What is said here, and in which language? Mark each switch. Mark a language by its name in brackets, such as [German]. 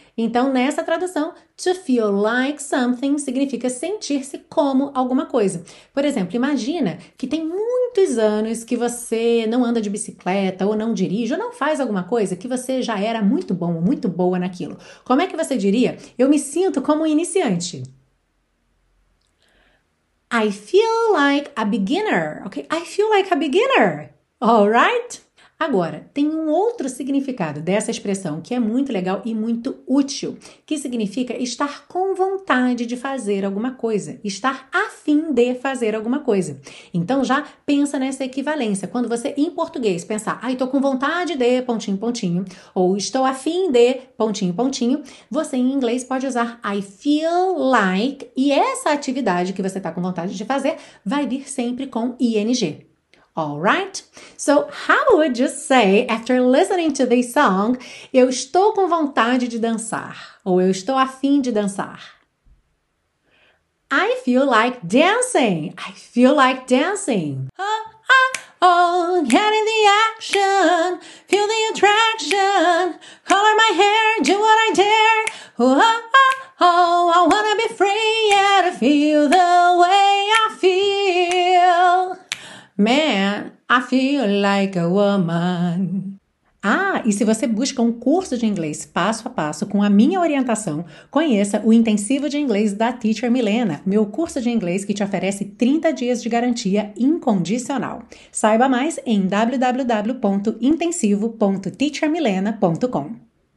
[Portuguese] Então, nessa tradução, [English] to feel like something [Portuguese] significa sentir-se como alguma coisa. Por exemplo, imagina que tem muitos anos que você não anda de bicicleta, ou não dirige, ou não faz alguma coisa que você já era muito bom ou muito boa naquilo. Como é que você diria? Eu me sinto como um iniciante. [English] I feel like a beginner, ok? I feel like a beginner, all right? [Portuguese] Agora, tem um outro significado dessa expressão que é muito legal e muito útil, que significa estar com vontade de fazer alguma coisa, estar a fim de fazer alguma coisa. Então, já pensa nessa equivalência. Quando você, em português, pensar, ai, tô com vontade de, pontinho, pontinho, ou estou a fim de, pontinho, pontinho, você, em inglês, pode usar I feel like, e essa atividade que você está com vontade de fazer vai vir sempre com ing. All right? [English] So, how would you say, after listening to this song, [Portuguese] eu estou com vontade de dançar? Ou eu estou a fim de dançar? [English] I feel like dancing. I feel like dancing. Oh, oh, oh, get in the action. Feel the attraction. Color my hair, do what I dare. Oh, oh, oh, I wanna be free, yeah, to feel the way I feel. Man, I feel like a woman. [Portuguese] Ah, e se você busca um curso de inglês passo a passo com a minha orientação, conheça o Intensivo de Inglês da Teacher Milena, meu curso de inglês que te oferece 30 dias de garantia incondicional. Saiba mais em www.intensivo.teachermilena.com.